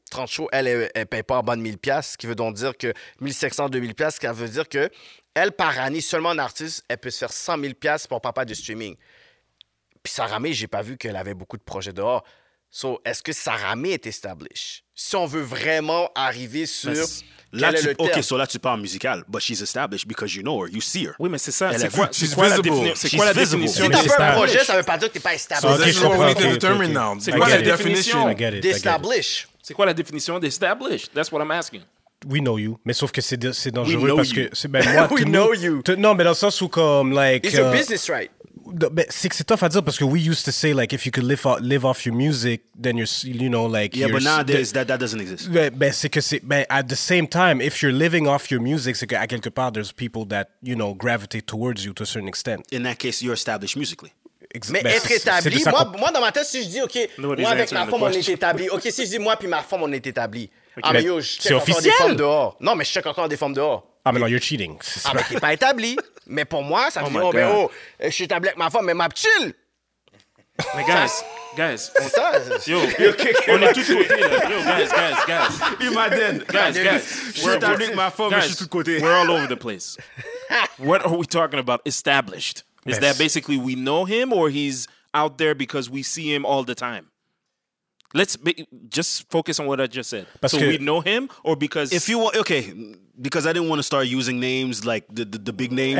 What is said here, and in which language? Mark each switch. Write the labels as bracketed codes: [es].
[fr] 30 shows, elle ne paye pas en bas de 1000 piastres, ce qui veut donc dire que 1 500 à 2 000 piastres, ce qui veut dire qu'elle, par année, seulement en artiste, elle peut se faire 100 000 piastres pour papa de streaming. Puis Sarah Amé, j'ai pas vu qu'elle avait beaucoup de projets dehors. So, est-ce que Sarah Amé est established? Si on veut vraiment arriver sur Là, tu, ok, so là, tu parles musical, [en] but she's established because you know her, you see her. [fr] Oui, mais c'est ça. Elle c'est quoi, c'est quoi visible. La définition? Quoi la définition? Si t'as fait un projet, ça veut pas dire que t'es pas established. [en] So okay, what we need to determine now. [fr] C'est quoi la définition? D'established. C'est quoi la définition d'established? [en] That's what I'm asking. We know you, [fr] mais sauf que c'est dangereux parce [en] you. [fr] Que c'est ben moi. [en] We know you. [fr] Non, mais dans le sens où comme like. [en] It's a business, right? [fr] C'est tough à dire parce que [en] we used to say like if you could live off your music then you're you know like yeah but nowadays that doesn't exist. [fr] Mais c'est que c'est mais [en] at the same time if you're living off your music [fr] c'est que à quelque part [en] there's people that you know gravitate towards you to a certain extent. In that case you're established musically. [fr] Mais ben, être établi moi dans ma tête si je dis ok nobody's moi avec ma femme on est établi ok si je dis moi puis ma femme on est établi okay. Ah mais yo je check encore des femmes dehors. Non mais je check encore des femmes dehors. Ah mais non [en] you're cheating. [fr] Ah mais t'es pas établi. Mais pour moi, ça fait oh, ben oh, je suis établi avec ma femme, mais ma chill! Mais guys, ça, guys. C'est ça? Yo, on est tous de côté, là. Yo, guys. Imagine. Guys. Je suis établi avec ma femme, mais je suis tout de côté. [en] We're all over the place. What are we talking about? Established. Is that basically we know him or he's out there because we see him all the time? Let's just focus on what I just said. Parce so we know him, or because if you want, okay, because I didn't want to start using names like the big names.